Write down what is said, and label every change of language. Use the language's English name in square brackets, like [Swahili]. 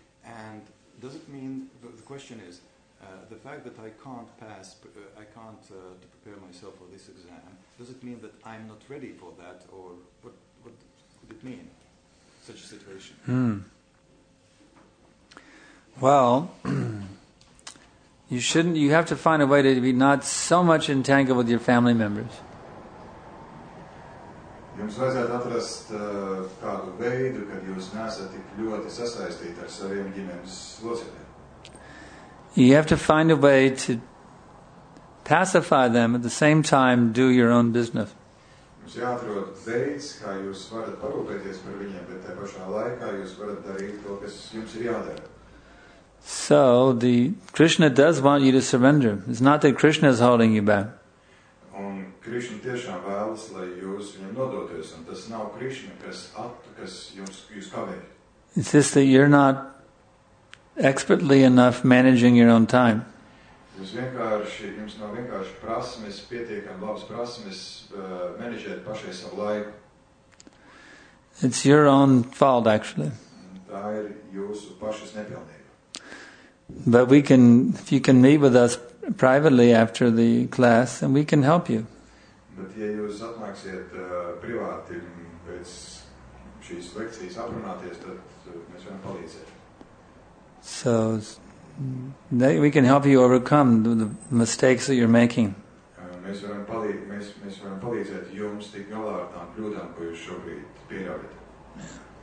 [English] And does it mean, the question is, the fact that I can't pass, I can't to prepare myself for this exam, does it mean that I'm not ready for that, or what could it mean, such a situation? Well, you have to find a way to be not so much entangled with your family members. [Latvian] Jums vajadzētu atrast kādu veidu, kad jūs neesat tik ļoti sasaistīti ar saviem ģimenes locekļiem. [English] You have to find a way to pacify them at the same time do your own business. [Latvian] Jums jāatrod veids, kā jūs varat parūpēties par viņiem, bet tajā pašā laikā jūs varat darīt to, kas jums ir jādara. [English] So, the Krishna does want you to surrender. It's not that Krishna is holding you back. [Latvian] Un Krishna tiešām vēlas, lai jūs viņam nodoties, un tas nav Krishna, kas jūs kavē. [English] It's just that you're not expertly enough managing your own time. [Latvian] Jums nav vienkārši prasmes, pietiekam labas prasmes, manažēt pašai savu laiku. [English] It's your own fault, actually. [Latvian] Tā ir jūsu pašas nepilnība. [English] But we can, if you can meet with us privately after the class, and we can help you. [Latvian] Bet ja jūs atnāksiet privāti pēc šīs lekcijas aprunāties, tad mēs varam palīdzēt. [English] So, we can help you overcome the mistakes that you're making. [Latvian] Mēs varam palīdzēt jums tik galā ar tām kļūdām, ko jūs šobrīd pieļaujat.